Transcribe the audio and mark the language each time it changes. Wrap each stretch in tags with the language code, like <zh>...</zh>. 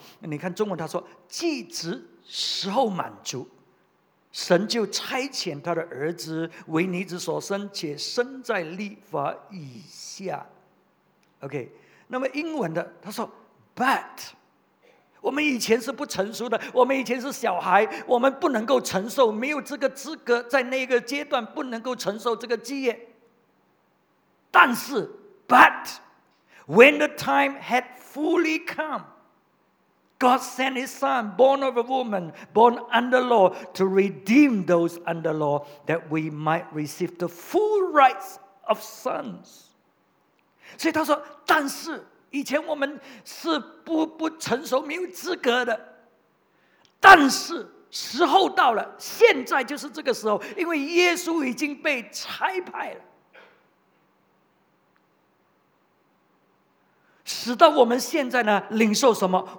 <zh>你看中文他说，既知时候满足，神就差遣他的儿子为女子所生，且生在律法以下。 OK， 那么英文的他说 But 我们以前是不成熟的，我们以前是小孩，我们不能够承受，没有这个资格，在那个阶段不能够承受这个基业。</zh> <en>但是 But when the time had fully comeGod sent his son, born of a woman, born under law, to redeem those under law, that we might receive the full rights of sons.</en> <zh>所以他说，但是以前我们是不成熟，没有资格的。但是时候到了，现在就是这个时候，因为耶稣已经被差派了，使到我们现在呢领受什么？</zh>